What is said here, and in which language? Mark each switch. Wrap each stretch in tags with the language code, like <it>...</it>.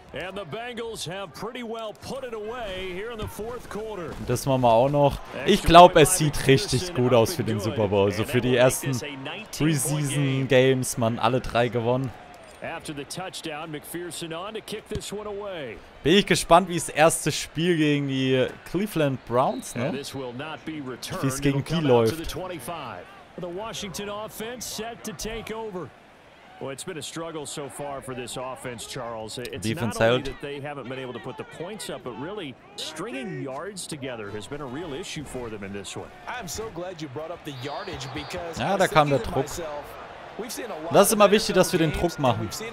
<en>And the Bengals have pretty well put it away here in the fourth quarter.</en> <de>Das machen wir auch noch. Ich glaube, es sieht richtig gut aus für den Super Bowl. Also für die ersten Preseason Games, man, alle drei gewonnen.</de> <en>After the touchdown, McPherson on to kick this one away.</en> <de>Bin ich gespannt, wie das erste Spiel gegen die Cleveland Browns, ne? Wie es gegen die läuft.</de> <en>The Washington offense set to take over. Well, it's been a struggle so far for this offense, Charles. It's defense not only That they haven't been able to put the points up, but really stringing yards together has been a real issue for them in this one. I'm so glad you brought up the yardage because</en> <de>ja, da kam der Druck. Das ist immer wichtig, dass wir den Druck machen.</de>